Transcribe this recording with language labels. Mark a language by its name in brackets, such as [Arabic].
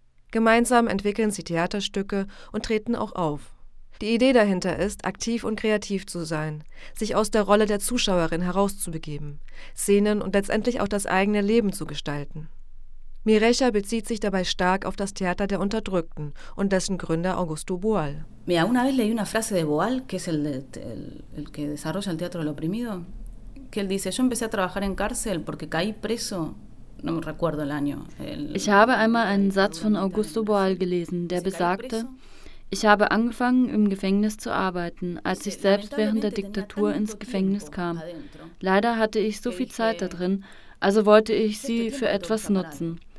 [German] Gemeinsam entwickeln sie Theaterstücke und treten auch auf. Die Idee dahinter ist, aktiv und kreativ zu sein, sich aus der Rolle der Zuschauerin herauszubegeben, Szenen und letztendlich auch das eigene Leben zu gestalten. Mirecha bezieht sich dabei stark auf das Theater der Unterdrückten und dessen Gründer Augusto Boal. [Spanish] Mira, una vez leí una frase de Boal, que es el que desarrolla el teatro del oprimido, que él dice: "Yo empecé a trabajar en cárcel porque caí preso". No me recuerdo el año. [German] Ich habe einmal einen Satz von Augusto Boal gelesen, der besagte: "Ich habe angefangen, im Gefängnis zu arbeiten, als ich selbst während der Diktatur ins Gefängnis kam. Leider hatte ich so viel Zeit da drin, also wollte ich sie für etwas nutzen.